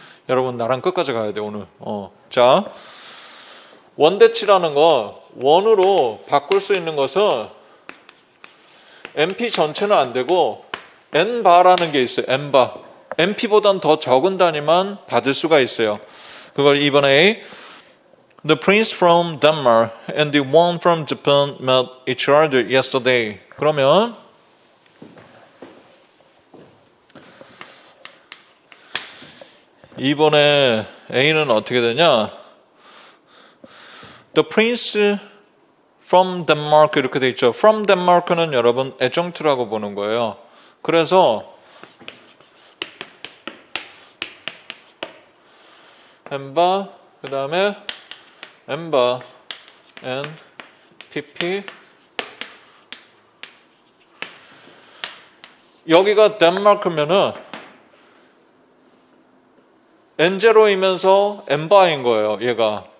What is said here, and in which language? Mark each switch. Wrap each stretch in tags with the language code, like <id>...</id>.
<ko>여러분 나랑 끝까지 가야 돼 오늘. 자, 원대치라는 거 원으로 바꿀 수 있는 것은 MP 전체는 안 되고 N바라는 게 있어요. N바. MP보다는 더 적은 단위만 받을 수가 있어요. 그걸 이번에 A.</ko> <en>The prince from Denmark and the one from Japan met each other yesterday.</en> <ko>그러면 이번에 A는 어떻게 되냐?</ko> <en>The prince from Denmark</en> <ko>이렇게 돼 있죠. From Denmark는 여러분 adjunct라고 보는 거예요. 그래서 엠바 그다음에 엠바 and PP 여기가 Denmark면은 N0이면서 N바인 거예요, 얘가.</ko>